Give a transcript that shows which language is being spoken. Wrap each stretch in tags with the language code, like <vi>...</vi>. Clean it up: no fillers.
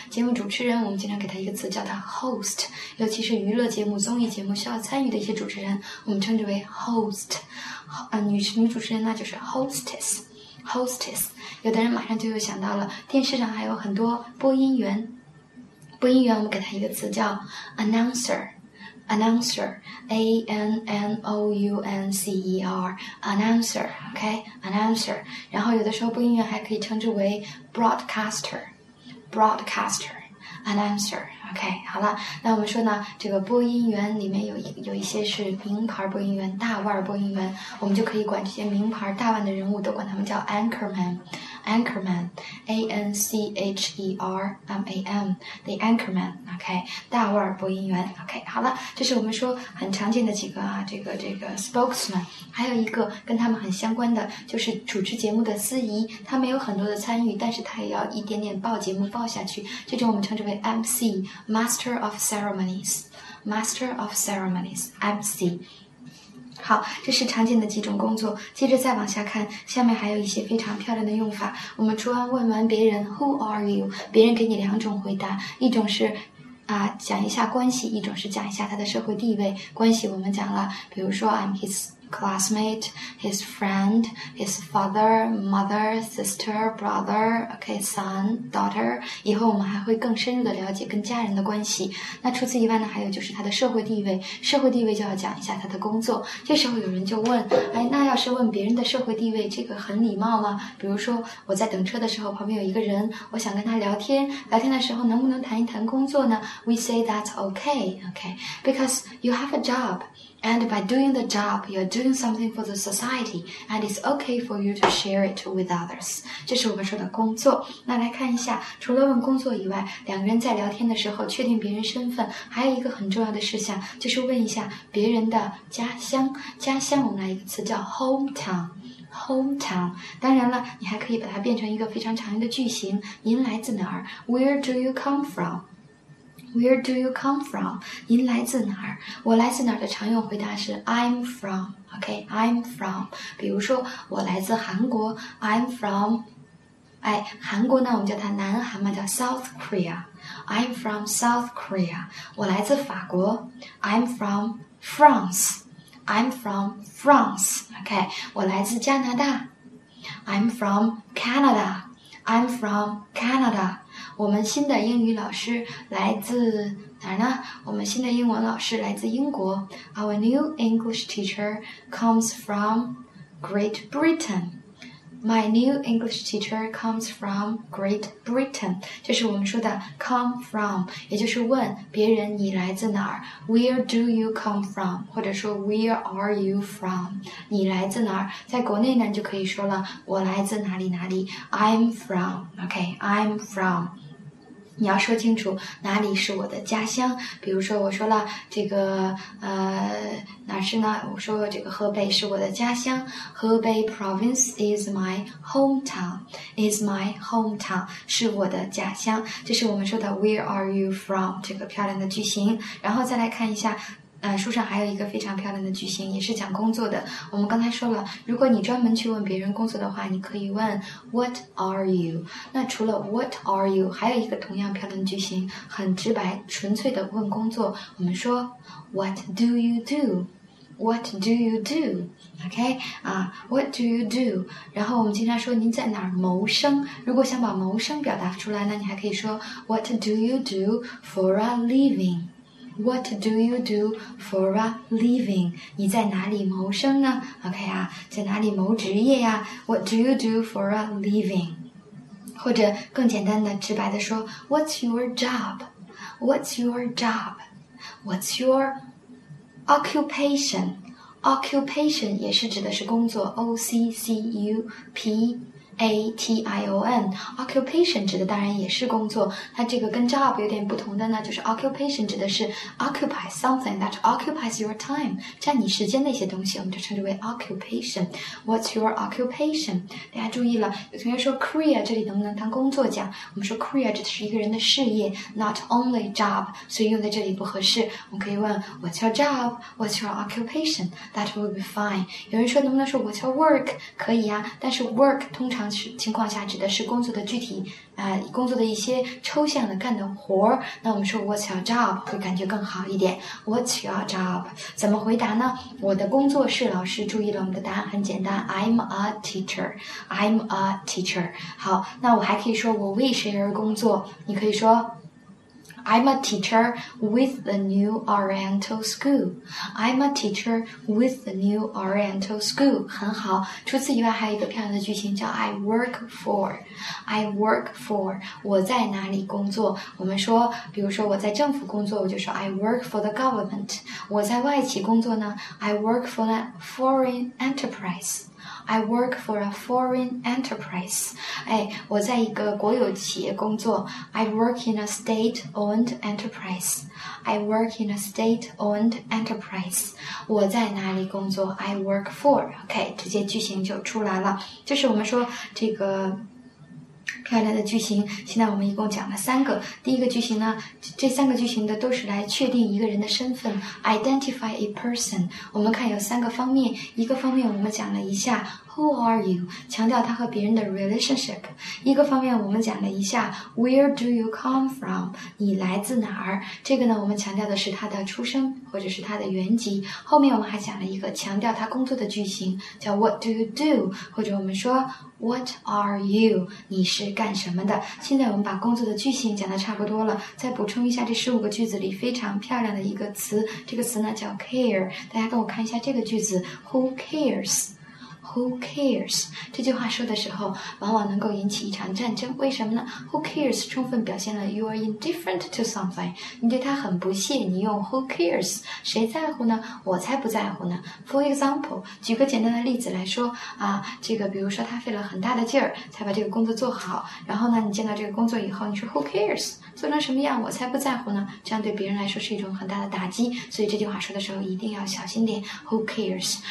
<zh>节目主持人我们经常给他一个词叫他 host， 尤其是娱乐节目、综艺节目需要参与的一些主持人，我们称之为 host。女主持人呢就是 hostess。有的人马上就又想到了电视上还有很多播音员，播音员我们给他一个词叫 announcer。</zh> <en>announcer, A-N-N-O-U-N-C-E-R, announcer, OK, announcer.</en> <zh>然后有的时候播音员还可以称之为 broadcaster, broadcaster, announcer, OK, 好了，那我们说呢，这个播音员里面有一些是名牌播音员，大腕播音员，我们就可以管这些名牌大腕的人物都管他们叫 anchorman,Anchorman, A-N-C-H-E-R-M-A-N, The Anchorman, OK, 大腕播音员 ,OK, 好了，这是我们说很常见的几个啊，这个 spokesman, 还有一个跟他们很相关的就是主持节目的司仪，他们有很多的参与，但是他也要一点点报节目报下去，这种我们称之为 MC, Master of Ceremonies, Master of Ceremonies, MC,好，这是常见的几种工作。接着再往下看，下面还有一些非常漂亮的用法。我们除了问完别人</zh> <en>Who are you?</en> <zh>别人给你两种回答，一种是啊，讲一下关系，一种是讲一下他的社会地位。关系我们讲了，比如说</zh> <en>I'm his classmate, his friend, his father, mother, sister, brother, okay, son, daughter.</en> <zh>以后我们还会更深入的了解跟家人的关系。那除此以外呢，还有就是他的社会地位。社会地位就要讲一下他的工作。这时候有人就问，哎，那要是问别人的社会地位，这个很礼貌吗？比如说我在等车的时候，旁边有一个人，我想跟他聊天，聊天的时候能不能谈一谈工作呢？</zh> <en>We say that's okay, okay, because you have a job. And by doing the job, you're doing something for the society, and it's okay for you to share it with others.</en> <zh>这是我们说的工作。那来看一下，除了问工作以外，两个人在聊天的时候确定别人身份，还有一个很重要的事项，就是问一下别人的家乡。家乡我们来一个词叫 hometown。</zh> <en>Hometown,</en> <zh>当然了，你还可以把它变成一个非常常用的句型。您来自哪儿？</zh> <en>Where do you come from?</en> <zh>Where do you come from? 您来自哪儿？我来自哪儿的常用回答是</zh> <en>I'm from.</en> <zh>OK, I'm from. 比如说我来自韩国</zh> <en>I'm from.</en> <zh>哎，韩国呢我们叫它南韩嘛，叫 South Korea.</zh> <en>I'm from South Korea.</en> <zh>我来自法国</zh> <en>I'm from France. I'm from France. OK,</en> <zh>我来自加拿大</zh> <en>I'm from Canada. I'm from Canada.</en> <zh>我们新的英语老师来自哪儿呢？我们新的英文老师来自英国。</zh> <en>Our new English teacher comes from Great Britain. My new English teacher comes from Great Britain.</en> <zh>这是我们说的</zh> <en>come from,</en> <zh>也就是问别人你来自哪儿。</zh> <en>Where do you come from? 或者说 Where are you from?</en> <zh>你来自哪儿？在国内呢，就可以说了我来自哪里哪里。</zh> <en>I'm from. Okay, I'm from.</en> <zh>你要说清楚哪里是我的家乡，比如说我说了这个哪是呢，我说这个河北是我的家乡， 河北</zh> <en>province is my hometown,</en> <zh>is my hometown, 是我的家乡，这是我们说的</zh> <en>where are you from,</en> <zh>这个漂亮的句型。然后再来看一下书上还有一个非常漂亮的句型，也是讲工作的。我们刚才说了，如果你专门去问别人工作的话，你可以问</zh> <en>What are you?</en> <zh>那除了</zh> <en>What are you?</en> <zh>还有一个同样漂亮的句型，很直白纯粹的问工作，我们说</zh> <en>What do you do? What do you do? OK, What do you do?</en> <zh>然后我们经常说您在哪儿谋生，如果想把谋生表达出来，那你还可以说</zh> <en>What do you do for a living? What do you do for a living?</en> <zh>你在哪里谋生呢？ OK 啊，在哪里谋职业呀？</zh> <en>What do you do for a living?</en> <zh>或者更简单的直白的说</zh> <en>What's your job? What's your job? What's your occupation?</en> <zh>Occupation 也是指的是工作 O-C-C-U-P-A-T-I-O-N Occupation 指的当然也是工作，它这个跟 job 有点不同的呢，就是 occupation 指的是</zh> <en>occupy something that occupies your time,</en> <zh>占你时间的一些东西，我们就称之为 occupation.</zh> <en>What's your occupation?</en> <zh>大家注意了，有同学说 career 这里能不能当工作讲，我们说 career 指的是一个人的事业，</zh> <en>not only job,</en> <zh>所以用在这里不合适，我们可以问</zh> <en>What's your job? What's your occupation? That will be fine.</en> <zh>有人说能不能说</zh> <en>What's your work?</en> <zh>可以啊，但是 work 通常情况下指的是工作的具体工作的一些抽象的干的活，那我们说</zh> <en>What's your job</en> <zh>会感觉更好一点。</zh> <en>What's your job</en> <zh>怎么回答呢？我的工作是老师。注意了，我们的答案很简单，</zh> <en>I'm a teacher, I'm a teacher.</en> <zh>好，那我还可以说我为谁而工作，你可以说</zh> <en>I'm a teacher with the New Oriental School. I'm a teacher with the New Oriental School.</en> <zh>很好。除此以外，还有一个漂亮的句型叫</zh> <en>I work for. I work for.</en> <zh>我在哪里工作？我们说，比如说我在政府工作，我就说</zh> <en>I work for the government.</en> <zh>我在外企工作呢 ，</zh> <en>I work for a foreign enterprise. I work for a foreign enterprise.</en> <zh>哎，我在一个国有企业工作。</zh> <en>I work in a state-owned enterprise. I work in a state-owned enterprise.</en> <zh>我在哪里工作 ？</zh> <en>I work for.</en> <zh>OK， 这些句型就出来了。就是我们说这个漂亮的句型。现在我们一共讲了三个。第一个句型呢，这三个句型的都是来确定一个人的身份 ，</zh> <en>identify a person。</en> <zh>我们看有三个方面，一个方面我们讲了一下</zh> <en>who are you，</en> <zh>强调他和别人的 relationship。一个方面我们讲了一下</zh> <en>where do you come from，</en> <zh>你来自哪儿？这个呢，我们强调的是他的出生或者是他的原籍。后面我们还讲了一个强调他工作的句型，叫</zh> <en>what do you do，</en> <zh>或者我们说。</zh> <en>What are you?</en> <zh>你是干什么的？现在我们把工作的句型讲得差不多了，再补充一下这十五个句子里非常漂亮的一个词，这个词呢叫 care。大家跟我看一下这个句子</zh> <en>Who cares? Who cares?</en> <zh>这句话说的时候往往能够引起一场战争，为什么呢？</zh> <en>Who cares?</en> <zh>充分表现了</zh> <en>You are indifferent to something，</en> <zh>你对他很不屑，你用</zh> <en>Who cares?</en> <zh>谁在乎呢？我才不在乎呢。</zh> <en>For example，</en> <zh>举个简单的例子来说啊，这个比如说他费了很大的劲儿才把这个工作做好，然后呢你见到这个工作以后你说</zh> <en>Who cares?</en> <zh>做成什么样我才不在乎呢，这样对别人来说是一种很大的打击，所以这句话说的时候一定要小心点</zh> <en>Who cares?</en>